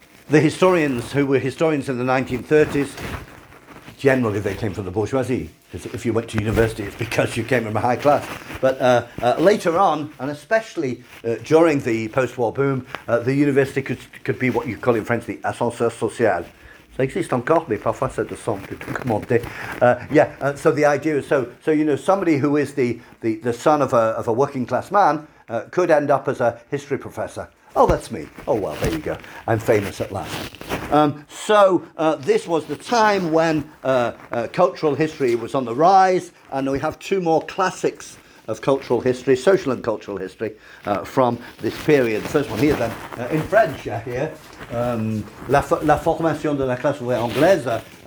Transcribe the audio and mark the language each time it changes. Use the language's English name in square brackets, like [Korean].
[English] The historians who were historians in the 1930s, generally they came from the bourgeoisie. If you went to university, it's because you came from a high class. But later on, and especially during the post-war boom, the university could be what you call in French the ascenseur social. [French] Ça existe encore, mais parfois ça descend plutôt que monter. [English] Yeah. So the idea is so you know somebody who is the son of a working class man could end up as a history professor. Oh, that's me. Oh well, there you go. I'm famous at last. So this was the time when cultural history was on the rise, and we have two more classics of cultural history, social and cultural history, from this period. The first one here, then, in French, here, [French] la formation de la classe ouvrière anglaise.